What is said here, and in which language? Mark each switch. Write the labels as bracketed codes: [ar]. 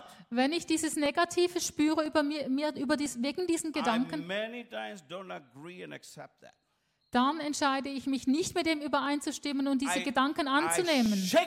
[de] Wenn ich dieses Negative spüre wegen diesen Gedanken, [en] I many times don't agree and accept that. [de] Dann entscheide ich mich nicht mit dem übereinzustimmen und diese Gedanken anzunehmen.